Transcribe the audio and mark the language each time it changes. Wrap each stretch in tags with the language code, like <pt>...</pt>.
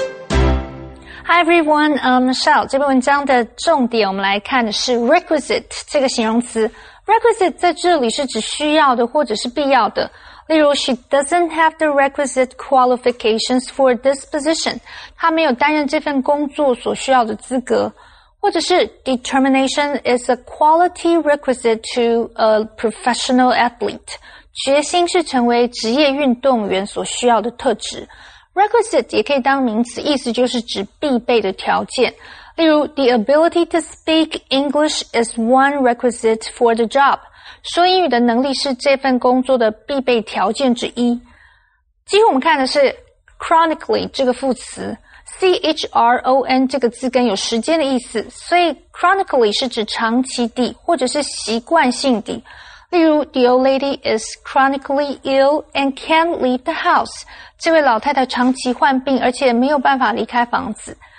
<en>Hi everyone,</en> <zh>Michelle. 这篇文章的重点，我们来看的是 requisite 这个形容词。 requisite 在这里是指需要的或者是必要的。例如</zh> <en>，She doesn't have the requisite qualifications for this position.</en> <zh>她没有担任这份工作所需要的资格。或者是</zh> <en>，Determination is a quality requisite to a professional athlete.</en> <zh>决心是成为职业运动员所需要的特质。 Requisite 也可以当名词，意思就是指必备的条件。例如</zh> <en>,The ability to speak English is one requisite for the job.</en> <zh>说英语的能力是这份工作的必备条件之一。几乎我们看的是 chronically 这个副词。CHRON 这个字根有时间的意思，所以 chronically 是指长期地或者是习惯性地。例如</zh> <en>,The old lady is chronically ill and can't leave the house.</en> <zh>这位老太太长期患病而且没有办法离开房子。</zh>